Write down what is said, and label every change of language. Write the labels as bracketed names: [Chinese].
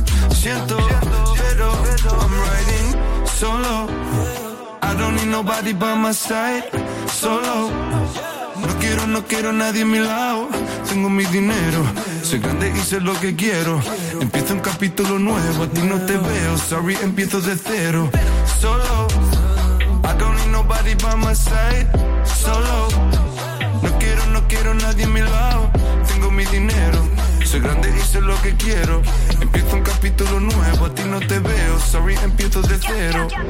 [Spanish] siento, pero [English] I'm riding solo. I don't need nobody by my side, solo. [Spanish] No quiero nadie a mi lado. Tengo mi dinero, soy grande y sé lo que quiero. Empiezo un capítulo nuevo, a ti no te veo. Sorry, empiezo de cero. [English] Solo, I don't need nobody by my side, solo. [Spanish] No quiero nadie a mi lado. Tengo mi dinero, soy grande y sé lo que quiero. Empiezo un capítulo nuevo, a ti no te veo. Sorry, empiezo de cero.